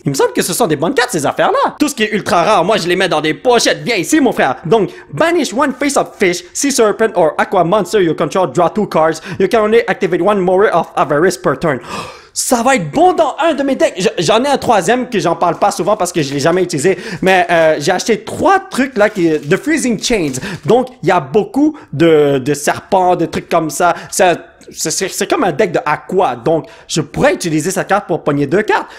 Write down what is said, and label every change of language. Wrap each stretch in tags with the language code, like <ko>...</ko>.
<fr>Il me semble que ce sont des bonnes cartes, ces affaires-là. Tout ce qui est ultra rare, moi, je les mets dans des pochettes. Viens ici, mon frère.</fr> <en>Donc, banish one face of fish, sea serpent, or aqua monster you control, draw two cards. You can only activate one Mourer of Avarice per turn.</en> <fr>Ça va être bon dans un de mes decks. J'en ai un troisième que j'en parle pas souvent parce que je l'ai jamais utilisé. Mais j'ai acheté trois trucs là qui de Freezing Chains. Donc, il y a beaucoup de serpents, de trucs comme ça. C'est comme un deck de Aqua. Donc, je pourrais utiliser cette carte pour pogner deux cartes.</fr>